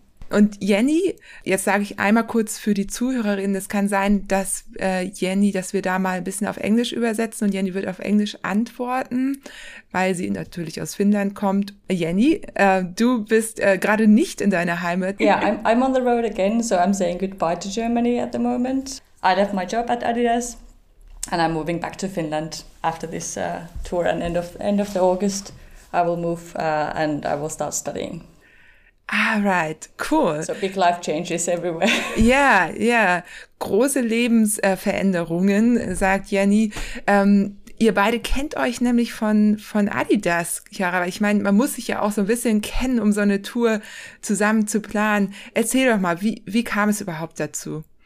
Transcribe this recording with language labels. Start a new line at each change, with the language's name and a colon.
German: Und Jenny, jetzt sage ich einmal kurz für die Zuhörerinnen, es kann sein, dass Jenny, dass wir da mal ein bisschen auf Englisch übersetzen und Jenny wird auf Englisch antworten, weil sie natürlich aus Finnland kommt. Jenny, du bist gerade nicht in deiner Heimat.
English: Yeah, I'm on the road again, so I'm saying goodbye to Germany at the moment. I left my job at Adidas and I'm moving back to Finland after this tour and end of the August. I will move and I will start studying. All right, cool. So big life changes everywhere. Yeah.
German: Große Lebensveränderungen, sagt Jenny. Ihr beide kennt euch nämlich von Adidas, Chiara. Ich meine, man muss sich ja auch so ein bisschen kennen, um so eine Tour zusammen zu planen. Erzähl doch mal, wie kam es überhaupt dazu?